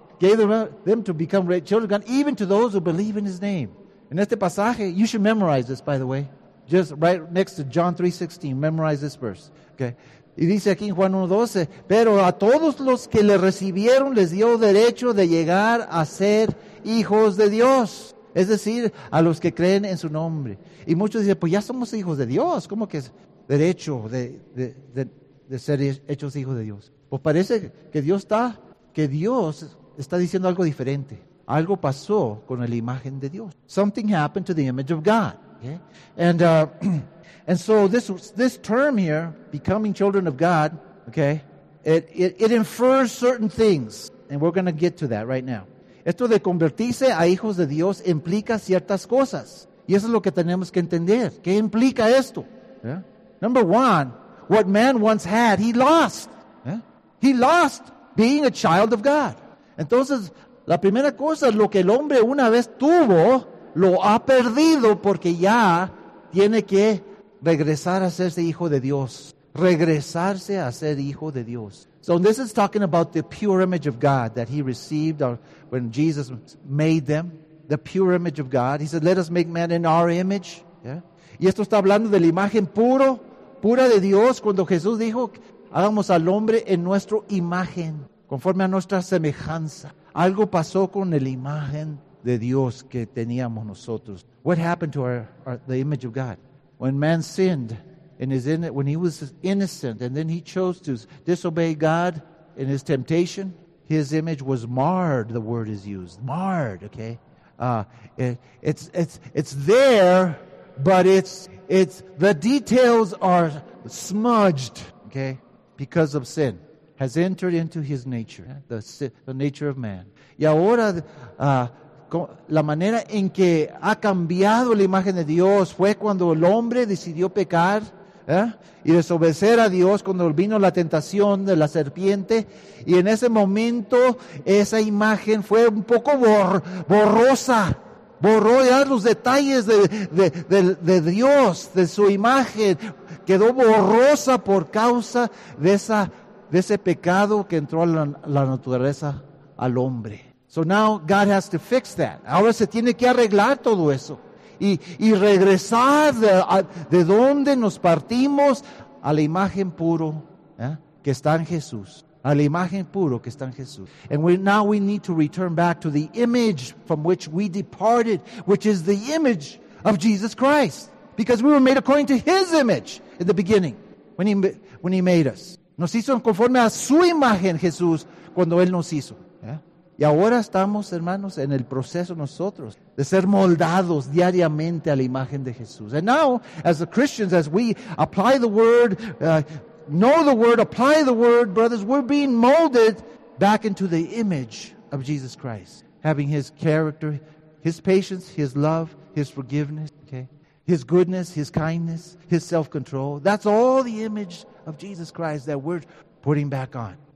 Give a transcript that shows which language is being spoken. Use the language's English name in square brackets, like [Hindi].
[English] Gave them to become children of God, even to those who believe in his name. In [Spanish] este pasaje, [English] you should memorize this, by the way. Just right next to John 3:16, memorize this verse, okay? [Spanish] Y dice aquí en Juan 1:12, pero a todos los que le recibieron les dio derecho de llegar a ser hijos de Dios. Es decir, a los que creen en su nombre. Y muchos dicen, pues ya somos hijos de Dios. ¿Cómo que es derecho de ser hechos hijos de Dios? Pues parece que Dios está diciendo algo diferente. Algo pasó con la imagen de Dios. [English] Something happened to the image of God. Okay? And And so this term here, becoming children of God, okay, it infers certain things. And we're going to get to that right now. [Spanish] Esto de convertirse a hijos de Dios implica ciertas cosas. Y eso es lo que tenemos que entender. ¿Qué implica esto? [English] Yeah. Number one, what man once had, he lost. Yeah. He lost being a child of God. [Spanish] Entonces, la primera cosa, lo que el hombre una vez tuvo, lo ha perdido porque ya tiene que regresar a ser hijo de Dios. Regresarse a ser hijo de Dios. [English] So this is talking about the pure image of God that he received when Jesus made them. The pure image of God. He said, let us make man in our image. [Spanish] Yeah. Y esto está hablando de la imagen puro pura de Dios cuando Jesús dijo, hagamos al hombre en nuestra imagen, conforme a nuestra semejanza. Algo pasó con la imagen de Dios que teníamos nosotros. [English] What happened to the image of God? When man sinned, when he was innocent, and then he chose to disobey God in his temptation, his image was marred, the word is used. Marred, okay? It's there, but it's the details are smudged, okay, because of sin. Has entered into his nature, the nature of man. [Spanish] Y ahora, la manera en que ha cambiado la imagen de Dios fue cuando el hombre decidió pecar, ¿eh?, y desobedecer a Dios, cuando vino la tentación de la serpiente. Y en ese momento, esa imagen fue un poco borrosa. Borró ya los detalles de Dios, de su imagen. Quedó borrosa por causa de ese pecado que entró a la naturaleza, al hombre. [English] So now God has to fix that. [Spanish] Ahora se tiene que arreglar todo eso. Y regresar de donde nos partimos a la imagen puro, ¿eh?, que está en Jesús. A la imagen puro que está en Jesús. [English] And now we need to return back to the image from which we departed, which is the image of Jesus Christ. Because we were made according to His image in the beginning, when He made us. [Spanish] Nos hizo conforme a su imagen, Jesús, cuando Él nos hizo. ¿Eh? Y ahora estamos, hermanos, en el proceso nosotros de ser moldados diariamente a la imagen de Jesús. [English] And now, as the Christians, as we apply the word, know the word, apply the word, brothers, we're being molded back into the image of Jesus Christ. Having His character, His patience, His love, His forgiveness, okay? His goodness, His kindness, His self-control. That's all the image of Jesus Christ that we're putting back on.